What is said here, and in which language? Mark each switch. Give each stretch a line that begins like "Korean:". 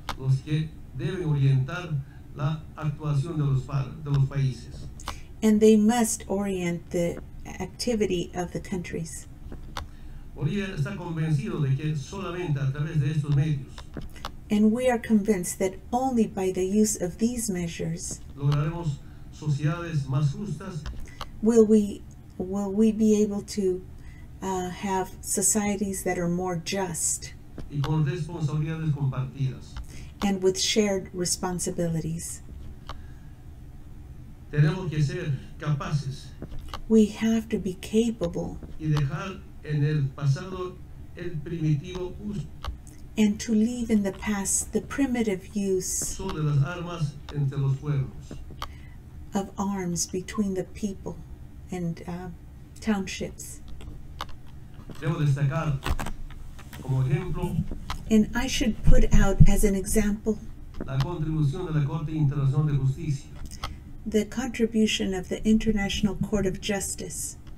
Spanish: Los que deben orientar la actuación de los países.
English: And they must orient the activity of the countries.
Spanish: Bolivia está convencido de que solamente a través de estos medios,
English: And we are convinced that only by the use of these measures
Spanish: lograremos sociedades más justas,
English: will we be able to have societies that are more just
Spanish: y con responsabilidades compartidas.
English: And with shared responsibilities.
Spanish: Tenemos que ser capaces.
English: We have to be capable
Spanish: y dejar en el pasado el primitivo uso.
English: And to leave in the past the primitive use
Spanish: de las armas entre los pueblos.
English: Of arms between the people and townships.
Spanish: Debo destacar como ejemplo,
English: and I should put out as an example
Spanish: la contribución de la Corte Internacional de Justicia.
English: The contribution of the International Court of Justice.